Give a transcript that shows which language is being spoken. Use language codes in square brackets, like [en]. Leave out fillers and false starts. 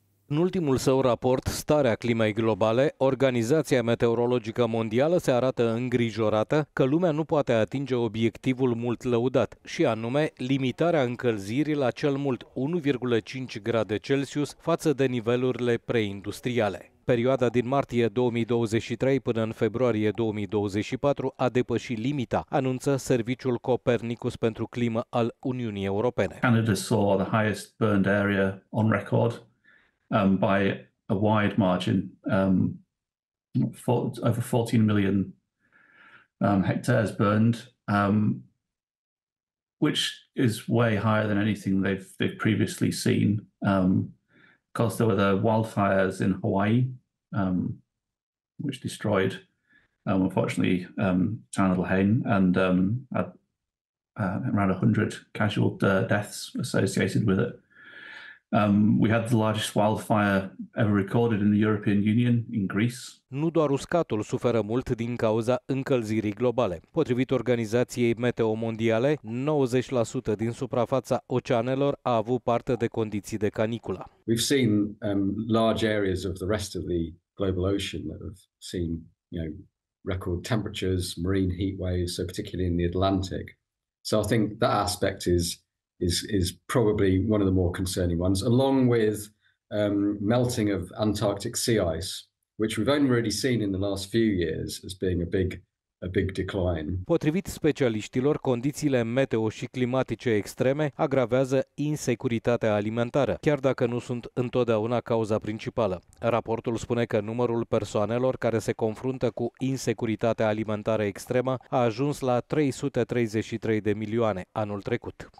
[ro] În ultimul său raport, Starea Climei Globale, Organizația Meteorologică Mondială se arată îngrijorată că lumea nu poate atinge obiectivul mult lăudat, și anume limitarea încălzirii la cel mult 1,5 grade Celsius față de nivelurile preindustriale. Perioada din martie 2023 până în februarie 2024 a depășit limita, anunță Serviciul Copernicus pentru Climă al Uniunii Europene. [en] Canada saw the highest burned area on record. By a wide margin, over 14 million hectares burned, which is way higher than anything they've previously seen, because there were the wildfires in Hawaii, which destroyed unfortunately, town of Lahaine, and around 100 casual deaths associated with it. We had the largest wildfire ever recorded in the European Union in Greece. [ro] Nu doar uscatul suferă mult din cauza încălzirii globale. Potrivit Organizației Meteo Mondiale, 90% din suprafața oceanelor a avut parte de condiții de caniculă. [en] We've seen large areas of the rest of the global ocean that have seen, you know, record temperatures, marine heat waves, so particularly in the Atlantic. So I think that aspect is probably one of the more concerning ones, along with melting of Antarctic sea ice, which we've only really seen in the last few years as being a big decline. [ro] Potrivit specialiștilor, condițiile meteo și climatice extreme agravează insecuritatea alimentară, chiar dacă nu sunt întotdeauna cauza principală. Raportul spune că numărul persoanelor care se confruntă cu insecuritatea alimentară extremă a ajuns la 333 de milioane anul trecut.